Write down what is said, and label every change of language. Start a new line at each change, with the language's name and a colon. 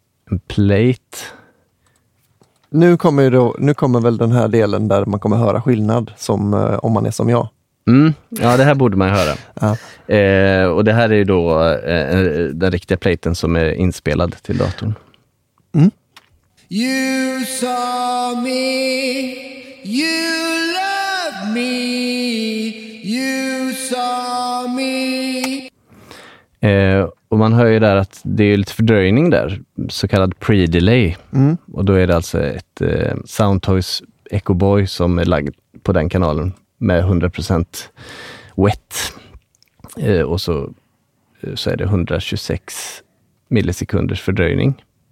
Swedish: En plate. Nu kommer väl den här delen där man kommer höra skillnad som, om man är som jag. Mm. Ja, det här borde man höra. Ja. Och det här är ju då den riktiga platen som är inspelad till datorn. Mm.
English: You saw me, you love me, you saw me.
Swedish: Och man hör ju där att det är lite fördröjning där, så kallad pre-delay. Mm. Och då är det alltså ett Soundtoys Echo Boy som är lagd på den kanalen. Med 100% wet. Och så är det 126 millisekunders fördröjning.